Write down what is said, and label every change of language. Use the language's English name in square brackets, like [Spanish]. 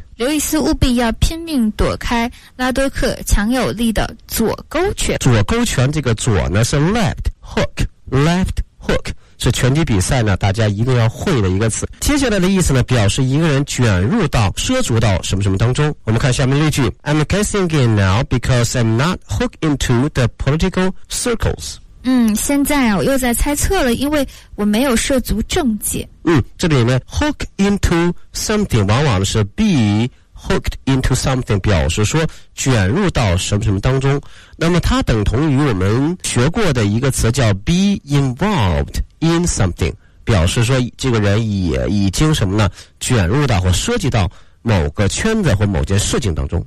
[Chinese] 刘易斯务必要拼命躲开拉多克强有力的左勾拳。左勾拳这个左呢是 left hook， left hook 是拳击比赛呢大家一定要会的一个词。接下来的意思呢表示一个人卷入到涉足到什么什么当中。我们看下面例句， [English] I'm guessing it now because I'm not hooked into the political circles。 [Chinese] 嗯，现在啊我又在猜测了，因为我没有涉足政界。嗯，这里面 [English] hook into something [Chinese] 往往是 [English] be hooked into something， [Chinese] 表示说卷入到什么什么当中。那么它等同于我们学过的一个词叫 [English] be involved in something， [Chinese] 表示说这个人也已经什么呢卷入到或涉及到某个圈子或某件事情当中。